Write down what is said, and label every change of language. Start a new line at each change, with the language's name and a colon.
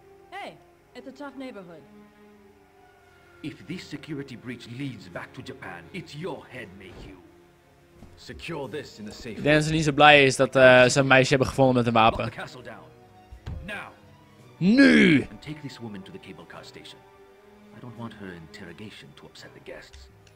English: Hey, it's a tough neighborhood. If this security breach leads back to Japan, it's your head, Mayhew. Secure this in a safe way.
Dutch: Denzel niet zo blij is dat ze een meisje hebben gevonden met een wapen.
English: Lock the castle down. Now.
Dutch: Nu!
English: And take this woman to the cable car station. I don't want her interrogation to upset the guests.